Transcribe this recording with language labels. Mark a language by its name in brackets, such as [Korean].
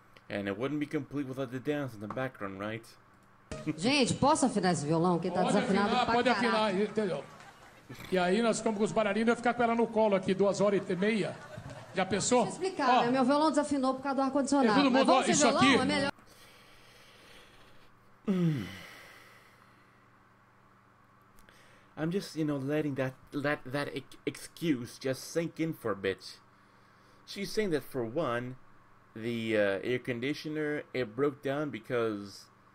[English] And it wouldn't be complete without the dance in the background, right? [Portuguese] Gente, posso afinar esse violão? Que tá desafinado pra caralho. Pode afinar, entendeu? E aí nós ficamos com os bararinos e ficar com ela no colo aqui, 2h30. Já pensou? Deixa eu explicar, né? Meu violão desafinou por causa do ar-condicionado. Mas vamos ver isso aqui? É melhor... [English] I'm just, you know, letting that excuse just sink in for a bit. She's saying that, for one, the air conditioner, it broke down because...